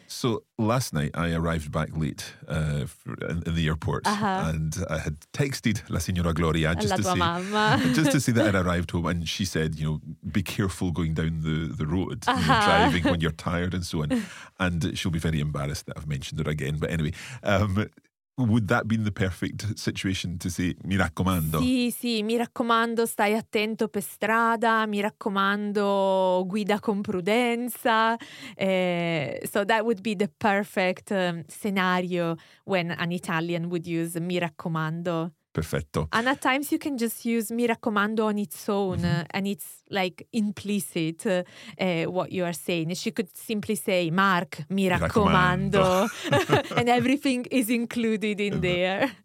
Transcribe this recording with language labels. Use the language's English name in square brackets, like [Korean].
[English] So last night I arrived back late in the airport and I had texted La Signora Gloria just to say that I'd arrived home, and she said, you know, be careful going down the road driving when you're tired and so on. And she'll be very embarrassed that I've mentioned her again. But anyway, would that be the perfect situation to say, [Italian] mi raccomando? Sì, sì, mi raccomando, stai attento per strada, mi raccomando, guida con prudenza. [English] So that would be the perfect scenario when an Italian would use [Italian] mi raccomando. Perfetto. [English] And at times you can just use [Italian] mi raccomando [English] on its own, and it's like implicit what you are saying. She could simply say, Mark, [Italian] mi raccomando, [English] and everything is included in there.